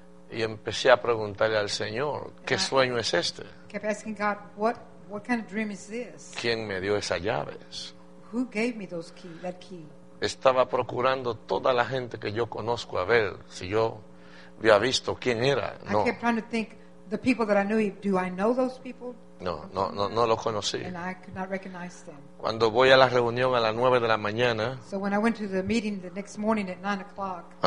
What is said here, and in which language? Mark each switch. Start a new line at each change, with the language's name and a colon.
Spanish: Y empecé a preguntarle al Señor, ¿qué sueño es este?
English: Kept asking God, what kind of dream is this?
Spanish: ¿Quién me dio esas llaves?
English: Who gave me those key, that key?
Spanish: Estaba procurando toda la gente que yo conozco a ver si yo había visto quién era.
English: No. I kept trying to think the people that I knew. Do I know those people?
Spanish: No, los conocí.
English: And I could not recognize them.
Spanish: Cuando voy a la reunión a las 9 de la mañana.
English: So when I went to the meeting the next morning at 9 o'clock.